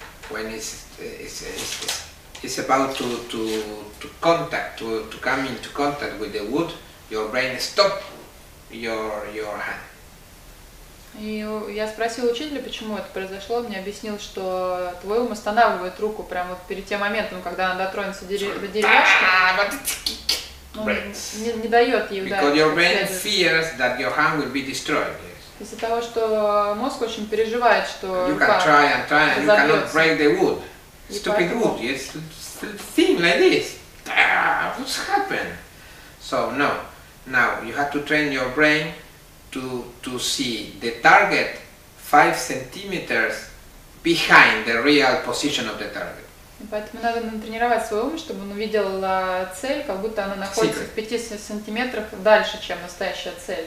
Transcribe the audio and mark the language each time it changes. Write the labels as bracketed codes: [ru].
[en] When it's about to contact, to come into contact with the wood, your brain stop your hand. [ru] И я спросил учителя, почему это произошло, мне объяснил, что твой ум останавливает руку прямо вот перед тем моментом, когда она дотронется до деревяшки. Не дает ей ударить. [en] Because your brain fears that your hand will be destroyed. [ru] Из-за того, что мозг очень переживает, что [en] You can try and try, and you cannot break the wood. Stupid wood, yes. Thing like this. What's happened? So no. Now you have to train your brain to see the target 5 centimeters behind the real position of the target. [ru] Поэтому надо натренировать свой ум, чтобы он увидел цель, как будто она находится в 5 сантиметрах дальше, чем настоящая цель.